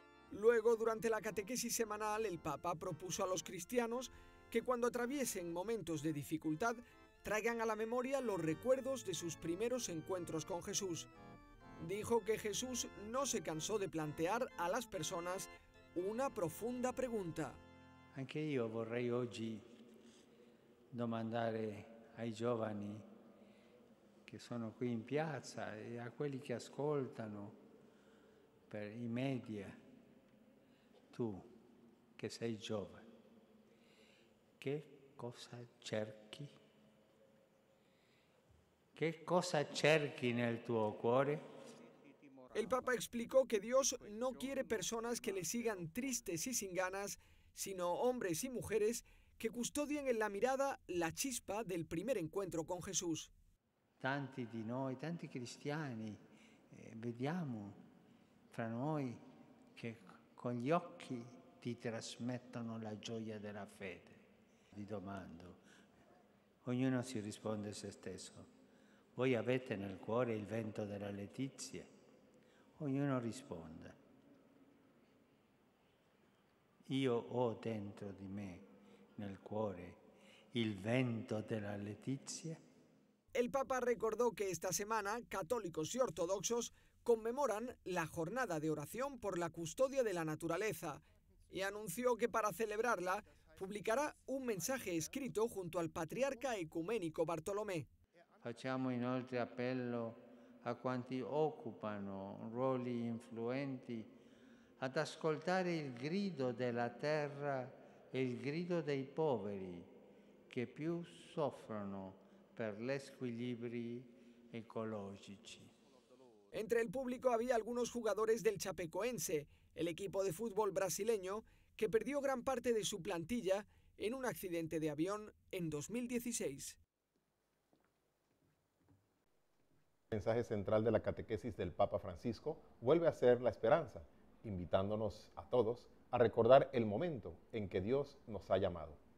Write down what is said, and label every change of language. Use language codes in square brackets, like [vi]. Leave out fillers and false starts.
[es] Luego, durante la catequesis semanal, el Papa propuso a los cristianos que cuando atraviesen momentos de dificultad, traigan a la memoria los recuerdos de sus primeros encuentros con Jesús. Dijo que Jesús no se cansó de plantear a las personas una profunda pregunta. [it] Anche io vorrei oggi domandare ai giovani che sono qui in piazza e a quelli che ascoltano per i media, tu che sei giovane, che cosa cerchi? Che cosa cerchi nel tuo cuore? [es] El Papa explicó que Dios no quiere personas que le sigan tristes y sin ganas, sino hombres y mujeres que custodien en la mirada la chispa del primer encuentro con Jesús. [it] Tanti di noi, tanti cristiani, vediamo fra noi che con gli occhi ti trasmettono la gioia della fede. Vi domando, ognuno si risponde a se stesso. Voi avete nel cuore il vento della letizia? Ognuno risponde. Io ho dentro di me, nel cuore, il vento della letizia. [es] El Papa recordó que esta semana católicos y ortodoxos conmemoran la jornada de oración por la custodia de la naturaleza y anunció que para celebrarla publicará un mensaje escrito junto al patriarca ecuménico Bartolomé. [it] Facciamo inoltre appello a quanti occupano ruoli influenti ad ascoltare il grido della terra e il grido dei poveri che più soffrono per gli squilibri ecologici. [es] Entre el público había algunos jugadores del Chapecoense, el equipo de fútbol brasileño que perdió gran parte de su plantilla en un accidente de avión en 2016. El mensaje central de la catequesis del Papa Francisco vuelve a ser la esperanza, invitándonos a todos a recordar el momento en que Dios nos ha llamado.